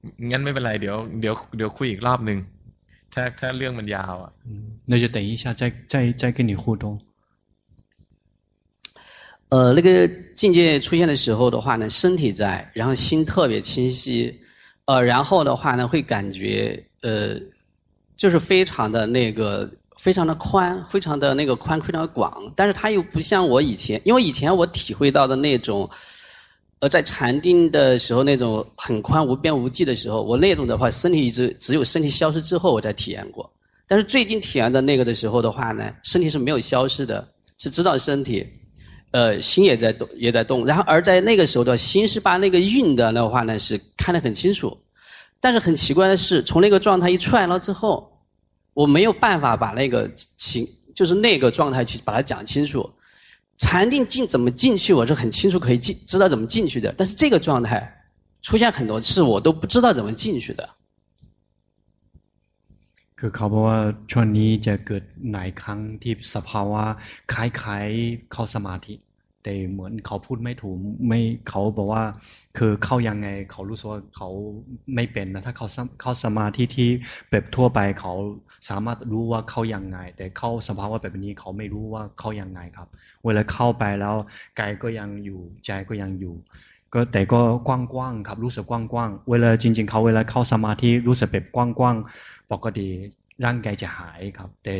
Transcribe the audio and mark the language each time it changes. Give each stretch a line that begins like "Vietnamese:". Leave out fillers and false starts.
Thai: งั้นไม่เป็นไรเดี๋ยวคุยอีกรอบหนึ่งถ้าเรื่องมันยาวอ่ะ น่าจะ
Chinese: 等一下再跟你互动那个境界出现的时候的话呢身体在然后心特别清晰然后的话呢会感觉就是非常的那个非常的宽非常的那个宽非常的广但是它又不像我以前因为以前我体会到的那种在禅定的时候那种很宽无边无际的时候我那种的话身体一直只有身体消失之后我才体验过但是最近体验的那个的时候的话呢身体是没有消失的是知道身体心也在动然后而在那个时候的心是把那个运的那话呢是看得很清楚但是很奇怪的是从那个状态一出来了之后我没有办法把那个就是那个状态去把它讲清楚禅定进怎么进去我是很清楚可以进知道怎么进去的但是这个状态出现很多次我都不知道怎么进去的
Thai: คือเขาบอกว่าช่วงนี้จะเกิดหลายครั้งที่สภาวะคล้ายๆเข้าสมาธิแต่เหมือนเขาพูดไม่ถูกไม่เขาบอกว่าคือเข้ายังไงเขารู้สึกว่าเขา ไม่เป็นนะถ้าเข้าสมาธิที่แบบทั่วไปเขาสามารถรู้ว่าเข้ายังไงแต่เข้าสภาวะแบบนี้เขาไม่รู้ว่าเข้ายังไงครับเวลาเข้าไปแล้วกายก็ยังอยู่ใจก็ยังอยู่ก็แต่ก็กว้างๆครับรู้สึกกว้างๆเวลาจริงๆเขาเวลาเข้าสมาธิรู้สึกแบบกว้างๆปกติร่างกายจะหายครับ